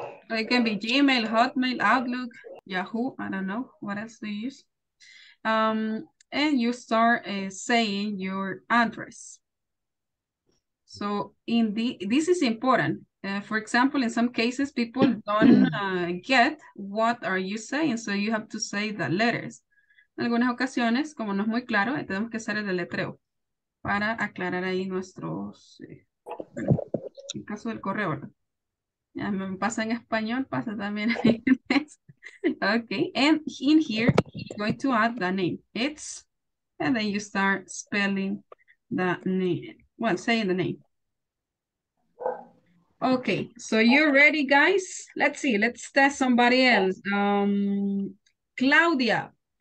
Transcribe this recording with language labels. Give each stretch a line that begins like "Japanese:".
English: It can be Gmail, Hotmail, Outlook, Yahoo. I don't know what else to use. And you start saying your address. So in the this is important. For example, in some cases, people don't get what are you saying. So you have to say the letters.
Spanish: En algunas ocasiones, como no es muy claro, tenemos que hacer el deletreo para aclarar ahí nuestros, bueno, en caso del correo, ¿no? Ya me pasa en español, pasa también en inglés.
English: Okay, and in here, you're going to add the name. It's, and then you start spelling the name. Well, saying the name. Okay, so you're ready, guys? Let's see, let's test somebody else. Claudia.